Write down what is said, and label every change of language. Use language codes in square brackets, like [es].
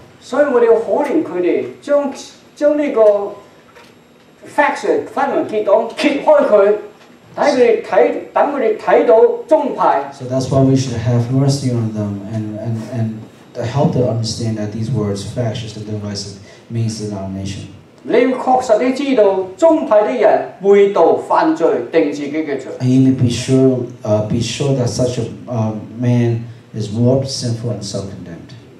[yue] 所以我就呼令佢哋将那个 faction 分门结党揭开佢。等佢哋睇，等佢哋睇到宗派。 [en] So that's why we should have mercy on them and to help them understand that these words factious and divisive means denomination. [yue] 你要確實地知道宗派的人背道犯罪，定自己嘅罪。 [en] And you need to be sure that such a man is warped, sinful, and self-condemned.